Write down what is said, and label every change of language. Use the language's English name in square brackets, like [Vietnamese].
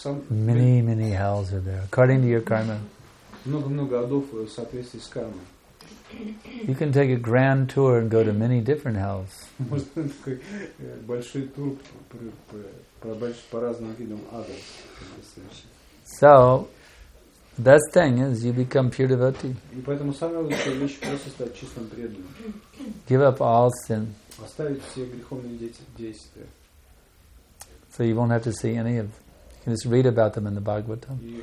[English] Many hells are there, according to your karma. [Russian] Много адов в соответствии с кармой. [English] You can take a grand tour and go to many different hells. [Russian] Можно такой большой тур по разным видам ада. [English] So, best thing is you become pure devotee. [Russian] И поэтому самое лучшее вещь просто стать чистым преданным. [English] Give up all sin. [Russian] Оставить все греховные действия. [English] So you won't have to see any of. You can just read about them in the Bhagavatam.